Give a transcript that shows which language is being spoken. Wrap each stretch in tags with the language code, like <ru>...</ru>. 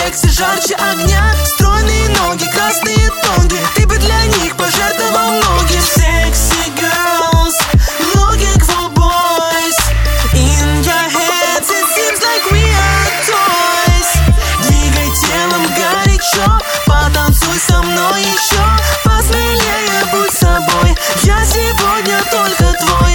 <ru>Жарче огня, стройные ноги, красные тонги. Ты бы для них пожертвовал ноги.</ru> <en>Sexy girls, looking for boys. In your heads it seems like we are toys.</en> <ru>Двигай телом горячо, потанцуй со мной еще. Посмелее будь собой, я сегодня только твой.</ru>